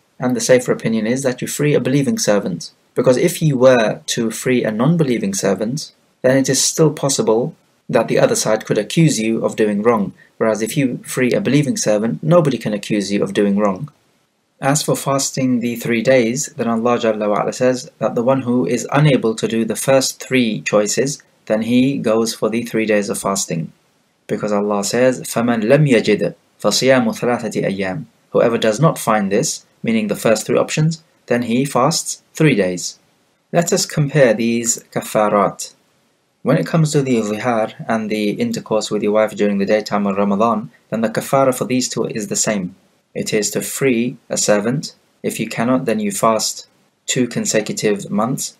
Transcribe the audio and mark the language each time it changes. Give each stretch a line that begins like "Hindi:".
English: And the safer opinion is that you free a believing servant. Because if you were to free a non-believing servant, then it is still possible that the other side could accuse you of doing wrong. Whereas if you free a believing servant, nobody can accuse you of doing wrong. As for fasting the 3 days, then Allah Jalla wa'ala says that the one who is unable to do the first three choices, then he goes for the 3 days of fasting. Because Allah says,
Arabic: فَمَنْ لَمْ يَجِدْ فَصِيَامُ ثَلَاثَةِ أَيَّامٍ.
English: Whoever does not find this, meaning the first three options, then he fasts 3 days. Let us compare these kafarat. When it comes to the zihar and the intercourse with your wife during the daytime of Ramadan, then the kafara for these two is the same. It is to free a servant. If you cannot, then you fast 2 consecutive months.